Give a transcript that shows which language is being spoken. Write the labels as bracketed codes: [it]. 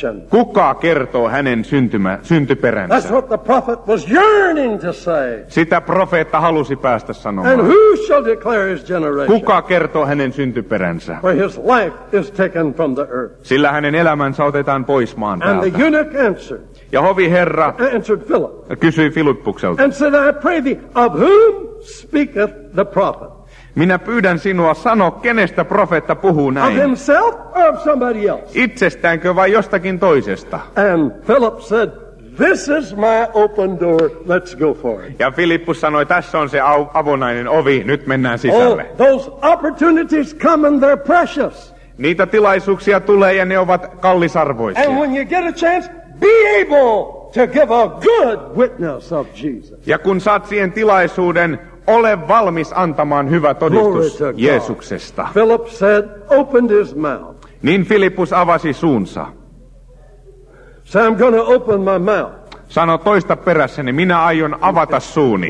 [fi] Kuka kertoo hänen syntyperänsä? [en] That's what the prophet was yearning to say. [fi] Sitä profeetta halusi päästä sanomaan. [en] And who shall declare his generation? [fi] Kuka kertoo hänen syntyperänsä? [en] For his life is taken from the earth. [fi] Sillä hänen elämänsä otetaan pois maan päältä. [en] And the eunuch answered. [fi] Ja hovi herra [en] answered Philip. [fi] Kysyi Filippukselta. [en] And said, I pray thee, of whom speaketh the prophet? [fi] Minä pyydän sinua, sano, kenestä profeetta puhuu näin? [en] Of himself or of somebody else? [fi] Itsestäänkö vai jostakin toisesta? [en] And Philip said, this is my open door, let's go for it. [fi] Ja Filippus sanoi, tässä on se avonainen ovi, nyt mennään sisälle. [en] Oh, those opportunities come and they're precious. [fi] Niitä tilaisuuksia tulee ja ne ovat kallisarvoisia. [en] And when you get a chance, be able to give a good witness of Jesus. [fi] Ja kun saat siihen tilaisuuden, ole valmis antamaan hyvä todistus Jeesuksesta. [en] Philip said, opened his mouth. [fi] Niin Filippus avasi suunsa. [en] So I'm gonna open my mouth. [fi] Sano toista perässäni, minä aion avata suuni.